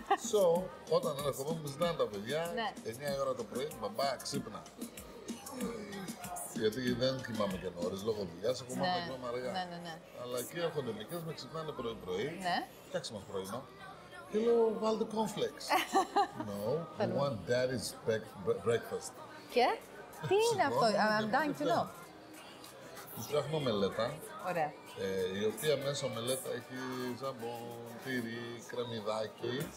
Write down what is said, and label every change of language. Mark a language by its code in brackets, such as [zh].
[el] So, όταν έρχομαι, μου ζητάνε τα παιδιά, 9 ώρα το πρωί, μπαμπά, ξύπνα. Γιατί δεν κοιμάμαι και νωρίς, λόγω δουλειάς, έχω μάθει να κοιμάμαι αργά. Αλλά εκεί έρχονται μικρές, με ξυπνάνε πρωί-πρωί, φτιάξε μας πρωινό. Και λέω, βάλτε cornflakes. [en] No, we want daddy's breakfast. [el] Και, τι είναι αυτό, [en] I'm dying to know. [el] Του φτιάχνω μελέτα, ωραία. Η οποία μέσα μελέτα έχει ζαμπον, τυρί, κρεμμυδάκι.